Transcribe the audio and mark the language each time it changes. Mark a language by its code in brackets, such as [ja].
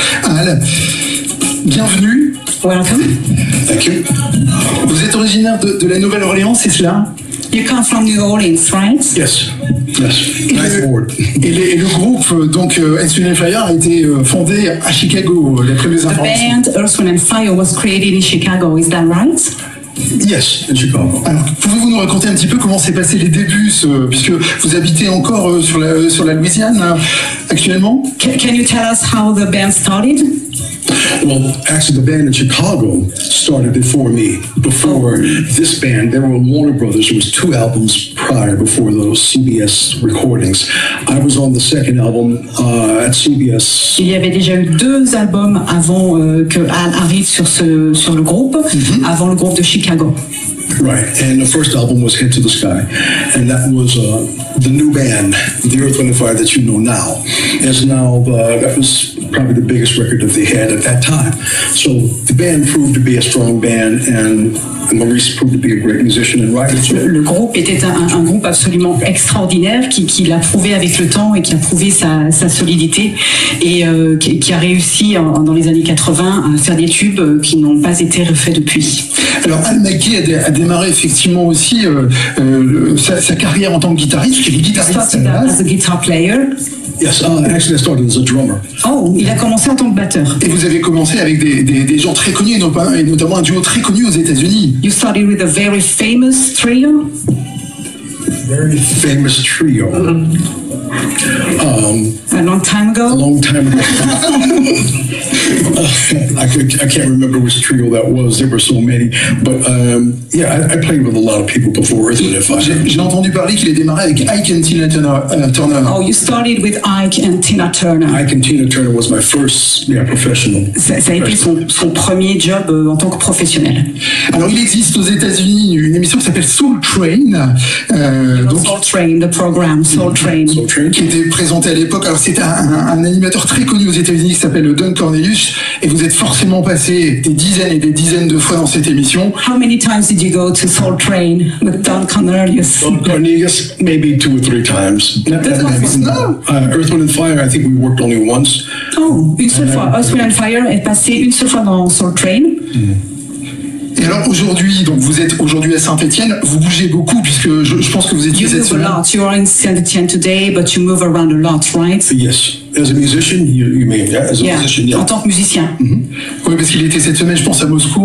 [fr] Al, bienvenue. [en] Welcome. Thank you. [fr] Vous êtes originaire de la Nouvelle-Orléans, c'est cela? [en] You come from New Orleans, right? Yes. [fr] Et le groupe donc Earth, Wind & Fire a été fondé à Chicago d'après mes informations. [en] The band Earth, Wind & Fire was created in Chicago, is that right? Yes, Chicago. [fr] Alors, pouvez-vous nous raconter un petit peu comment s'est passé les débuts puisque vous habitez encore sur la Louisiane actuellement? [en] Can you tell us how the band started? Well, actually, the band in Chicago started before me. Before this band, there were Warner Brothers. There was two albums prior before those CBS recordings. I was on the second album at CBS. [fr] Il y avait déjà eu deux albums avant que Al arrive sur le groupe, mm-hmm. avant le groupe de Chicago. [en] Right, and the first album was Head to the Sky, and that was the new band, The Earth, Wind & Fire, that you know now. As now, that was probably the biggest record that they had at that time. So the band proved to be a strong band, and Maurice proved to be a great musician and writer. [fr] Le groupe était un groupe absolument extraordinaire qui l'a prouvé avec le temps et qui a prouvé sa solidité et qui a réussi dans les années 80 à faire des tubes qui n'ont pas été refaits depuis. Alors Almaké a démarré effectivement aussi sa carrière en tant que guitariste. Il est guitariste. [en] Started as a guitar player. Yes, actually I started as a drummer. [fr] Oh, il a commencé en tant que batteur. Et vous avez commencé avec des gens très connus, et notamment un duo très connu aux États-Unis. [en] You started with a very famous trio. Very famous trio. A long time ago. A long time ago. I can't remember which trio that was. There were so many, but I played with a lot of people before Earth, Wind & Fire. [fr] J'ai entendu parler qu'il a démarré avec Ike and Tina Turner. [en] Oh, you started with Ike and Tina Turner. Ike and Tina Turner was my first, professional. [fr] Ça a été son premier job en tant que professionnel. Alors il existe aux États-Unis une émission qui s'appelle Soul Train. [en] Soul Train, the program Soul Train. Soul Train, [fr] qui était présenté à l'époque. Alors c'était un animateur très connu aux États-Unis qui s'appelle Don Cornelius. Et vous êtes forcément passé des dizaines et des dizaines de fois dans cette émission. [en] How many times did you go to Soul Train with Don Cornelius? Don Cornelius, maybe two or three times. Earth, Wind & Fire, I think we worked only once. [fr] Oh, une seule fois. Earth, Wind & Fire est passé une seule fois dans Soul Train. Et alors aujourd'hui, donc vous êtes aujourd'hui à Saint-Étienne, vous bougez beaucoup puisque je pense que vous étiez cette semaine. [en] You move a lot. You are in Saint-Étienne today, but you move around a lot, right? Yes. As a musician, you mean, as a musician, yeah. [fr] En tant que musicien. Mm-hmm. Oui, parce qu'il était cette semaine, je pense, à Moscou.